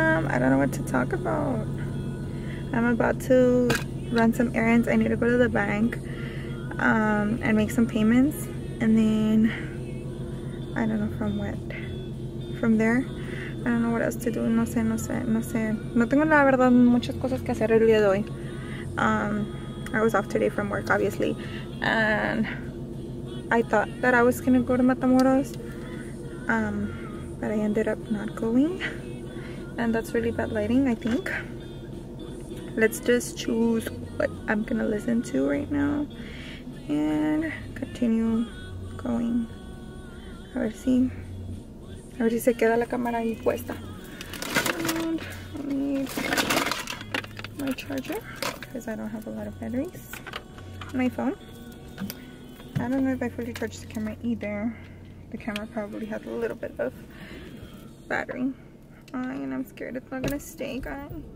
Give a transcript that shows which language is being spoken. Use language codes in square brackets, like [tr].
[en] I don't know what to talk about. I'm about to run some errands. I need to go to the bank and make some payments, and then I don't know from what from there. I don't know what else to do. [es] No sé. No tengo la verdad muchas cosas que hacer el día de hoy. [en] I was off today from work, obviously. And I thought that I was gonna go to Matamoros. But I ended up not going. And that's really bad lighting, I think. Let's just choose what I'm gonna listen to right now. And continue going. [es] A ver si. A ver si se queda la cámara ahí puesta. [en] And I need my charger because I don't have a lot of batteries. My phone. I don't know if I fully charged the camera either. The camera probably has a little bit of battery. And I'm scared it's not gonna stay, guys.